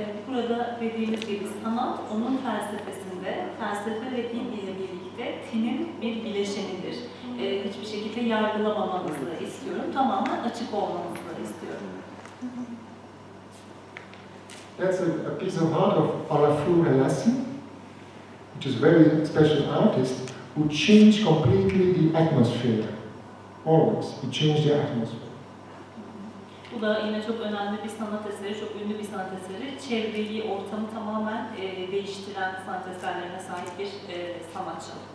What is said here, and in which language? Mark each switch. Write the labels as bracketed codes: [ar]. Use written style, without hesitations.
[tr] Burada dediğimiz gibi sanat onun felsefesinde, felsefe ve din ile birlikte tinin bir bileşenidir. Hiçbir şekilde yargılamamanızı istiyorum, tamamen açık olmanızı istiyorum. [en] That's a piece of art of Olafur Elassin, which is a very special artist, who changed completely the atmosphere. Always, he changed the atmosphere. [tr] Bu da yine çok önemli bir sanat eseri, çok ünlü bir sanat eseri. Çevreyi, ortamı tamamen değiştiren sanat eserlerine sahip bir sanatçı.